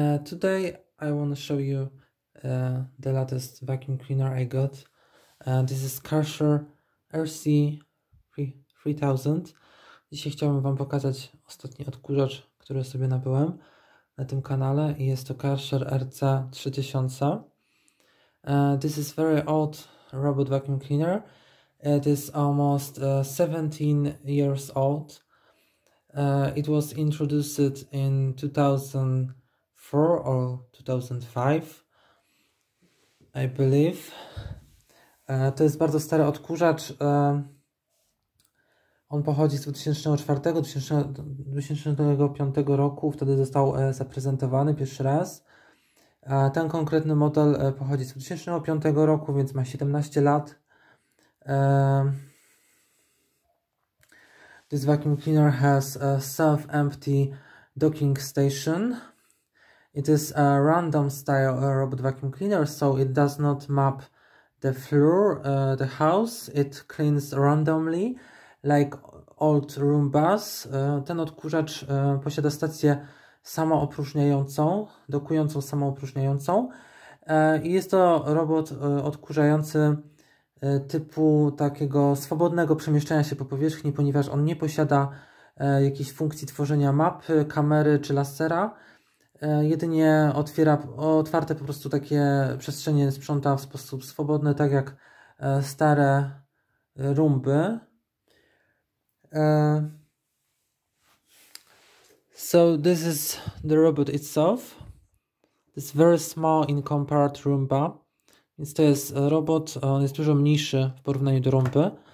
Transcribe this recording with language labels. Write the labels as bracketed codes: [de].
[en] Today I want to show you the latest vacuum cleaner I got. This is Karcher RC3000. [pl] Dzisiaj chciałbym wam pokazać ostatni odkurzacz, który sobie nabyłem na tym kanale i jest to Karcher RC3000. [en] This is very old robot vacuum cleaner. It is almost 17 years old. It was introduced in 2004 or 2005, I believe. [pl] To jest bardzo stary odkurzacz. On pochodzi z 2004-2005 roku. Wtedy został zaprezentowany pierwszy raz. Ten konkretny model pochodzi z 2005 roku, więc ma 17 lat. [en] This vacuum cleaner has a self-empty docking station. It is a random style robot vacuum cleaner, so it does not map the floor, the house. It cleans randomly, like old Roombas. [pl] Ten odkurzacz posiada stację samoopróżniającą, dokującą samoopróżniającą. I jest to robot odkurzający typu takiego swobodnego przemieszczania się po powierzchni, ponieważ on nie posiada jakiejś funkcji tworzenia mapy, kamery czy lasera. Jedynie otwarte po prostu takie przestrzenie sprząta w sposób swobodny, tak jak stare rumby. [en] So this is the robot itself. It's very small in compared to Roomba. [pl] Więc to jest robot, on jest dużo mniejszy w porównaniu do rumby.